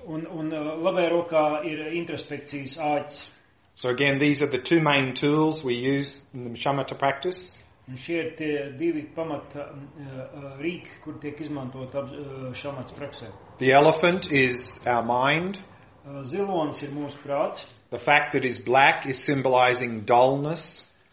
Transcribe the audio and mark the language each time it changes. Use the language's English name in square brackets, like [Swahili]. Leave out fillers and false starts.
[Latvian] Un labajā rokā ir introspekcijas āķis. [English] So again, these are the two main tools we use in the shamatha practice. [Latvian] Un šie ir tie divi pamata rīki, kur tiek izmantot šamatas praksē. [English] The elephant is our mind. [Latvian] Zilons ir mūsu prāts. [English] The fact that is black is symbolizing dullness.